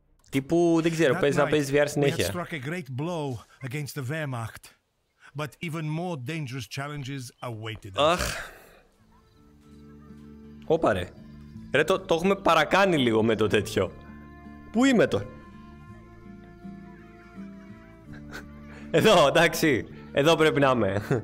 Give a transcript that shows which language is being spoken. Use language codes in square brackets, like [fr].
[el] Τύπου δεν ξέρω, παίζει να παίζει VR συνέχεια. [en] We had struck a great blow against the Wehrmacht, but even more dangerous challenges awaited us. Αχ. [el] Όπα ρε. Ρε το έχουμε παρακάνει λίγο με το τέτοιο. Πού είμαι τώρα. Εδώ, εντάξει. Εδώ πρέπει να είμαι.